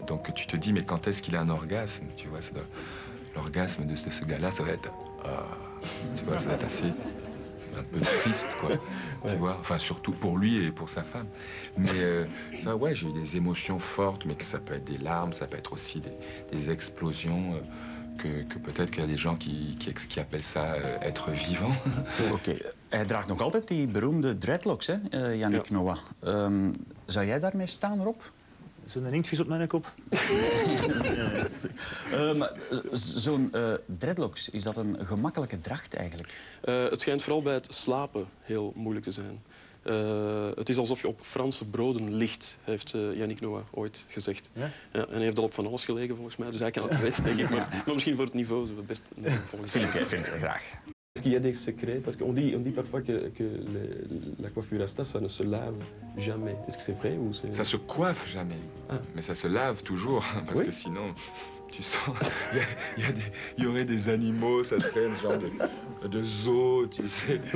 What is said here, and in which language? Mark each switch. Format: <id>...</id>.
<fr>Donc tu te dis, mais quand est-ce qu'il a un orgasme? Tu vois, l'orgasme de ce gars-là, ça va être. Tu vois, ça va être assez. Un peu triste, quoi. Ouais. Tu vois, enfin, surtout pour lui et pour sa femme. Mais ça, ouais, j'ai eu des émotions fortes, mais que ça peut être des larmes, ça peut être aussi des explosions. Que peut-être qu'il y a des gens qui appellent ça être vivant.</fr> <en>Okay.</en> <nl>Hij draagt nog altijd die beroemde dreadlocks, hè, Yannick ja. Noah. Zou jij daarmee staan, Rob? Zo'n inktvis op mijn kop. Zo'n dreadlocks, is dat een gemakkelijke dracht eigenlijk? Het schijnt vooral bij het slapen heel moeilijk te zijn. Het is alsof je op Franse broden ligt, heeft Yannick Noah ooit gezegd. Ja? Ja, en hij heeft al op van alles gelegen, volgens mij. Dus hij kan het weten, denk ik. Maar, misschien voor het niveau zullen we best volgens mij. Vind ik graag.</nl> <fr>Est-ce qu'il y a des secrets? Parce qu'on dit, parfois que la coiffure Rasta, ça ne se lave jamais. Est-ce que c'est vrai ou c'est... Ça se coiffe jamais, mais ça se lave toujours. Parce que sinon, tu sens, il y aurait des animaux, ça serait un genre de zoo, tu sais.</fr>